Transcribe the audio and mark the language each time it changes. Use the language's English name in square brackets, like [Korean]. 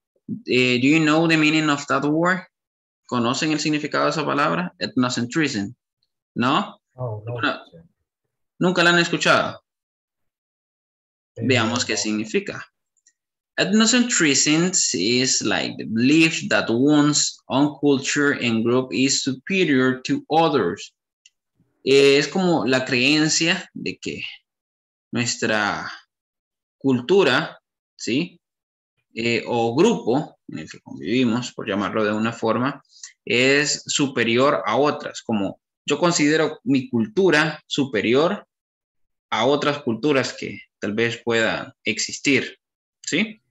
[English] Do you know the meaning of that word? [Spanish] ¿Conocen el significado de esa palabra? Ethnocentrism. ¿No? No, no. Bueno, ¿nunca la han escuchado? Veamos qué significa. [English] Ethnocentrism is like the belief that one's own culture and group is superior to others. [Spanish] Es como la creencia de que nuestra cultura, ¿sí? O grupo en el que convivimos, por llamarlo de una forma, es superior a otras. Como yo considero mi cultura superior a otras culturas que tal vez puedan existir, ¿sí?